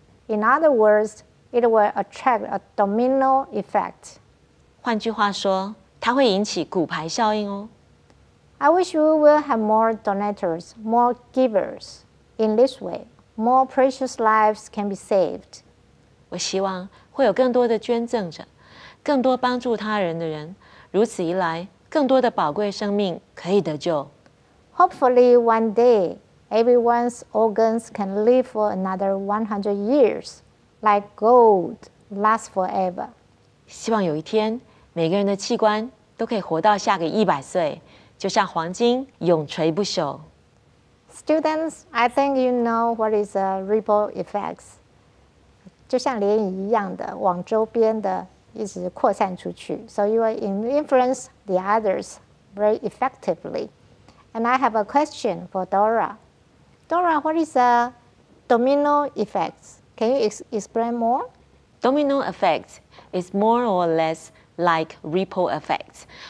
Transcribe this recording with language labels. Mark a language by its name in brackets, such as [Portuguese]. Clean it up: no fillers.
[English] In other words, it will attract a domino effect. [Chinese] 换句话说，它会引起骨牌效应哦。 [English] I wish we will have more donors, more givers. In this way, more precious lives can be saved. [Chinese] 我希望会有更多的捐赠者，更多帮助他人的人。如此一来，更多的宝贵生命可以得救。 [English] Hopefully, one day, everyone's organs can live for another 100 years, like gold lasts forever. [Chinese] 希望有一天，每个人的器官都可以活到下个100岁，就像黄金永垂不朽。 [English] Students, I think you know what is a ripple effect. [Chinese] 就像涟漪一样的，往周边的一直扩散出去。 [English] So you will influence the others very effectively. And I have a question for Dora. Dora, what is a domino effect? Can you explain more? Domino effect. It's more or less like ripple effect.